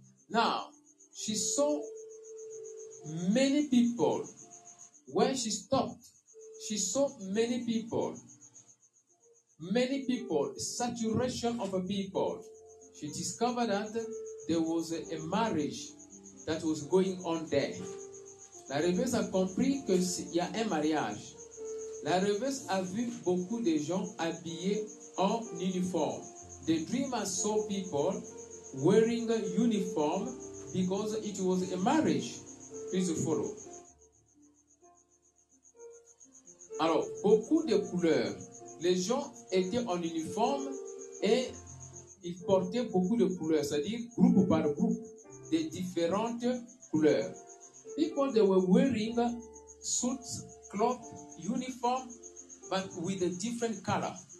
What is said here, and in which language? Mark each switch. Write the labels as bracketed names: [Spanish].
[English] Now, she saw many people. When she stopped, she saw many people. Many people, saturation of people. She discovered that there was a marriage that was going on there. [French] La rêveuse a compris qu'il y a un mariage. La rêveuse a vu beaucoup de gens habillés en uniforme. [English] The dreamer saw people wearing a uniform because it was a marriage. Please follow. [French] Alors, beaucoup de couleurs. Les gens étaient en uniforme et ils portaient beaucoup de couleurs, c'est-à-dire groupe par groupe, de différentes couleurs. [English] People, they were wearing suits, cloth, uniform, but with a different color.